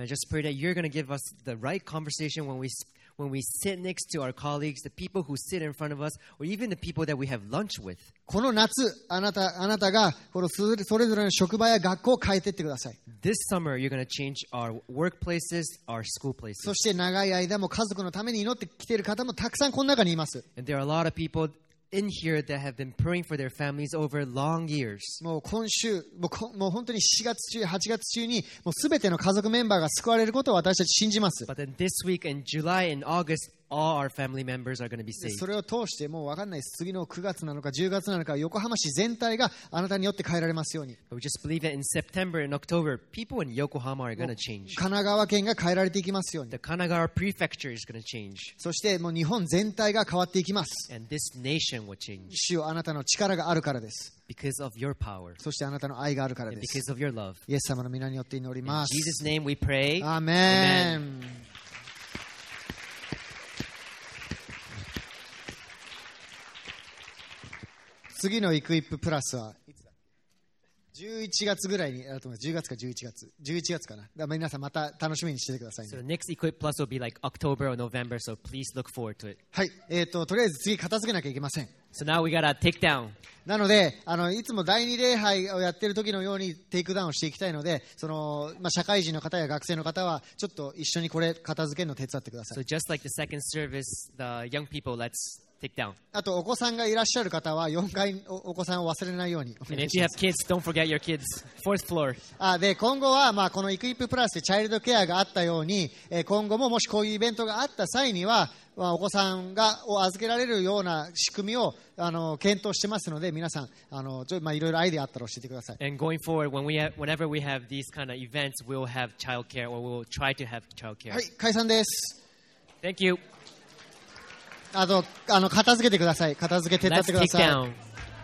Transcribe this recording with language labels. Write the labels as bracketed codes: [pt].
[en] And I just pray that you're going to give us the right conversation when we sit next to our colleagues, the people who sit in front of us, or even the people that we have lunch with. [ja] この夏、あなたがこのそれぞれの職場や学校を変えていってください。 [en] This summer, you're going to change our workplaces, our school places. [ja] そして長い間も家族のために祈ってきている方もたくさんこの中にいます。 [en] And there are a lot of people in here that have been praying for their families over long years. [ja] もう今週、もう本当に7月中、8月中にもう全ての家族メンバーが救われることを私たち信じます。 [en] But then this week in July and August, all our family members are going to be saved. [ja] それを通してもう分かんない、次の9月なのか10月なのか横浜市全体があなたによって変えられますように。 [en] But we just believe that in September and October, people in Yokohama are going to change. [ja] 神奈川県が変えられていきますように。 [en] The Kanagawa Prefecture is going to change. [ja] そしてもう日本全体が変わっていきます。 [en] And this nation will change. [ja] 主よ、あなたの力があるからです。 [en] Because of your power. [ja] そしてあなたの愛があるからです。 [en] And because of your love. [ja] イエス様の皆によって祈ります。 [en] In Jesus' name we pray. Amen. Amen. [ja] 次のイクイッププラスは11月ぐらいにあると思います。10月か11月。11月かな。だから皆さんまた楽しみにしててくださいね。 [en] So the next Equip Plus will be like October or November, so please look forward to it. [ja] はい。とりあえず次片付けなきゃいけません。 [en] So now we gotta take down. [ja] なので、いつも第二礼拝をやってる時のようにテイクダウンをしていきたいので、まあ、社会人の方や学生の方はちょっと一緒にこれ片付けるの手伝ってください。 [en] So just like the second service, the young people, let's... Take down. [ja] あとお子さんがいらっしゃる方は4階お子さんを忘れないようにお願いします。 [en] And if you have kids, don't forget your kids. Fourth floor. [ja] あ、で、今後は、まあ、このイクイッププラスでチャイルドケアがあったように、今後ももしこういうイベントがあった際には、まあ、お子さんがを預けられるような仕組みを検討してますので、皆さん、まあ、いろいろアイデアあったら教えてください。 [en] And going forward, whenever we have these kind of events, we'll have childcare or we'll try to have childcare. [ja] はい、解散です。 [en] Thank you. [ja] あと片付けてください。片付け手伝ってください。